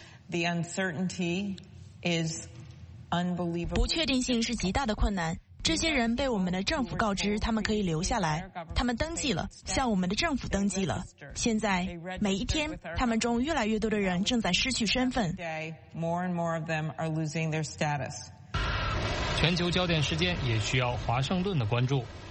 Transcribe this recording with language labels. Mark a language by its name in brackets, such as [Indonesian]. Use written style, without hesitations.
[English] The uncertainty is unbelievable. [Chinese] 不确定性是极大的困难。这些人被我们的政府告知他们可以留下来，他们登记了，向我们的政府登记了。现在每一天，他们中越来越多的人正在失去身份。 [English] More and more of them are losing their status. [Chinese] 全球焦点事件也需要华盛顿的关注。